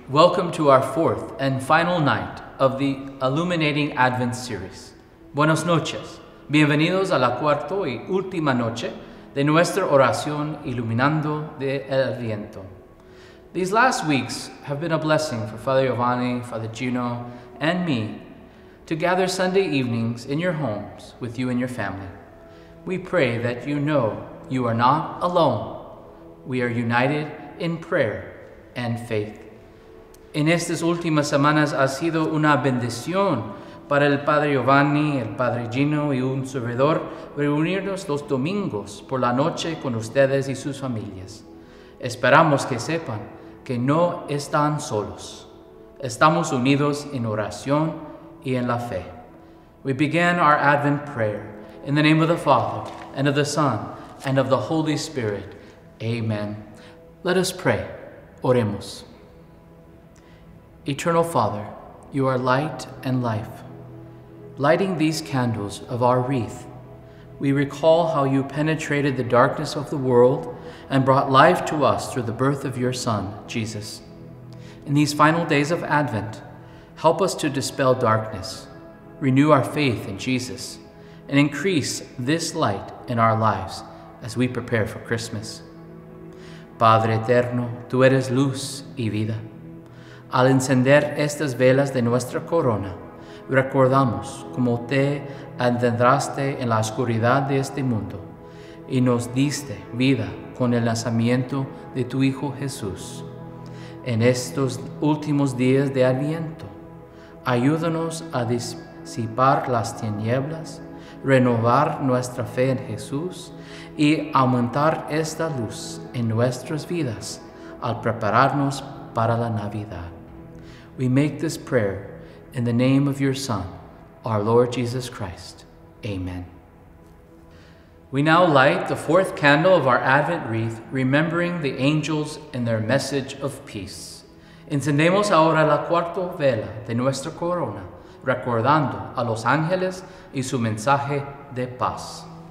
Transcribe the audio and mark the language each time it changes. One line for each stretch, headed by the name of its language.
English: Welcome to our fourth and final night of the Illuminating Advent series.
Spanish: Buenas noches. Bienvenidos a la cuarta y última noche de nuestra oración Illuminando de el Adviento.
English: These last weeks have been a blessing for Father Giovanni, Father Gino, and me to gather Sunday evenings in your homes with you and your family. We pray that you know you are not alone. We are united in prayer and faith.
Spanish: En estas últimas semanas ha sido una bendición para el Padre Giovanni, el Padre Gino y un servidor reunirnos los domingos por la noche con ustedes y sus familias. Esperamos que sepan que no están solos. Estamos unidos en oración y en la fe.
English: We begin our Advent prayer in the name of the Father, and of the Son, and of the Holy Spirit. Amen. Let us pray.
Spanish: Oremos.
English: Eternal Father, you are light and life. Lighting these candles of our wreath, we recall how you penetrated the darkness of the world and brought life to us through the birth of your Son, Jesus. In these final days of Advent, help us to dispel darkness, renew our faith in Jesus, and increase this light in our lives as we prepare for Christmas.
Spanish: Padre eterno, tú eres luz y vida. Al encender estas velas de nuestra corona, recordamos cómo te adentraste en la oscuridad de este mundo y nos diste vida con el nacimiento de tu Hijo Jesús. En estos últimos días de Adviento, ayúdanos a disipar las tinieblas, renovar nuestra fe en Jesús y aumentar esta luz en nuestras vidas al prepararnos para la Navidad.
English: We make this prayer in the name of your Son, our Lord Jesus Christ. Amen. We now light the fourth candle of our Advent wreath, remembering the angels and their message of peace.
Spanish: Encendemos ahora la cuarta vela de nuestra corona, recordando a los ángeles y su mensaje de paz.